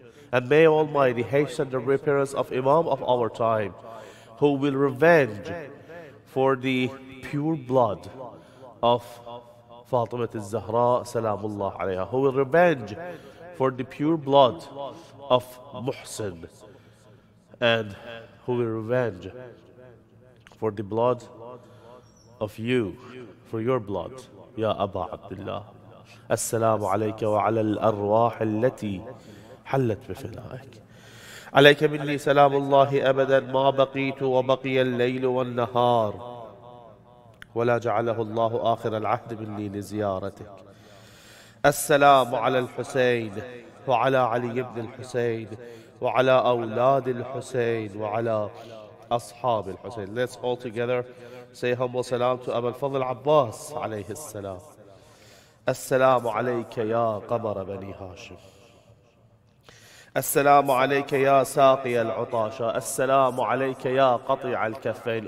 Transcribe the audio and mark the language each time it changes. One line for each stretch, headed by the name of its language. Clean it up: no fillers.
English: and may Almighty hasten the reappearance of Imam of our time, who will revenge for the pure blood of Fatima al-Zahra salamullah alayha, who will revenge for the pure blood of Muhsin, and who will revenge for the blood of you, for your blood, ya Aba Abdullah.
Arabic: السلام عليك وعلى الأرواح التي حلت بفنائك. عليك مني سلام الله أبدا ما بقيت وبقي الليل والنهار, ولا جعله الله آخر العهد مني لزيارتك. السلام على الحسين وعلى علي بن الحسين وعلى أولاد الحسين وعلى أصحاب الحسين.
English: Let's all together say humble salam to Abul Fadl Abbas
Arabic: عليه السلام. السلام عليك يا قمر بني هاشم. السلام عليك يا ساقي العطاشة. السلام عليك يا قطيع الكفين.